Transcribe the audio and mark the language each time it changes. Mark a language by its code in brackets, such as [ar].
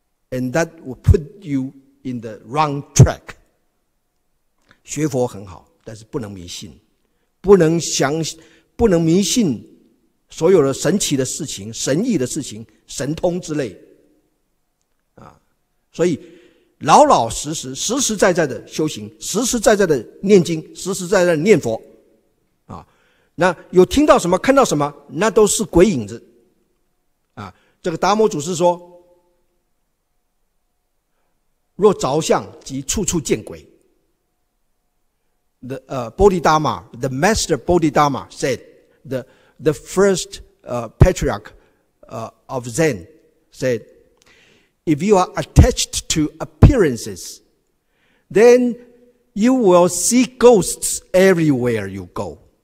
[en] And that will put you in the wrong track. [zh] 学佛很好, 但是不能迷信, 不能迷信 所有的神奇的事情, 神意的事情, 神通之类。所以老老实实, 实实在在的修行, 实实在在的念经, 实实在在的念佛。那有听到什么, 看到什么, 那都是鬼影子。这个达摩祖师说, 若着相, 即处处见鬼。 [en] The Bodhidharma, the master Bodhidharma said, the first patriarch of Zen said, if you are attached to appearances, then you will see ghosts everywhere you go.